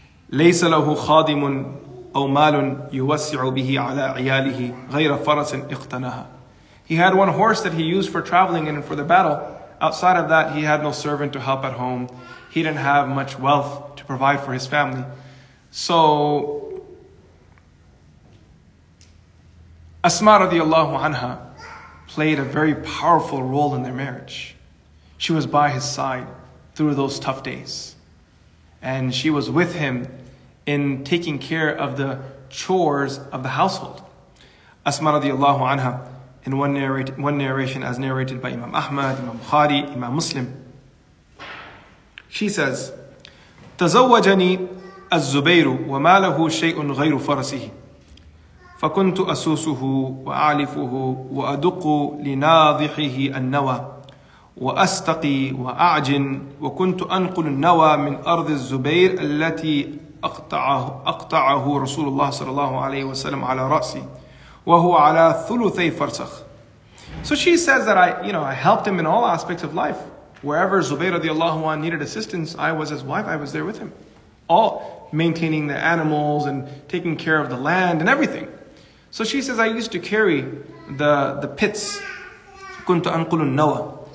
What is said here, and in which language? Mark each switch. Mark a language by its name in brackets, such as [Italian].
[Arabic] ليس له خادم أو مال يوسع به على عياله غير فرس اقتناها. [English] He had one horse that he used for traveling and for the battle. Outside of that, he had no servant to help at home. He didn't have much wealth to provide for his family. So, Asma radiallahu anha played a very powerful role in their marriage. She was by his side through those tough days. And she was with him in taking care of the chores of the household. Asma radiallahu anha, in one narration as narrated by Imam Ahmad, Imam Bukhari, Imam Muslim, she says, [Arabic] تزوجني الزبير وما له شيء غير فرسه فكنت أسوسه وأعلفه وأدق لناضحه النوى وأستقي وأعجن وكنت أنقل النوى من أرض الزبير التي أقطعه رسول الله صلى الله عليه وسلم على رأسي وهو على ثلثي فرسخ. [English] So she says that I helped him in all aspects of life. Wherever Zubayr radiallahu anhu needed assistance, I was his wife, I was there with him. All maintaining the animals and taking care of the land and everything. So she says, I used to carry the pits. [Arabic] كنت أنقل النوى.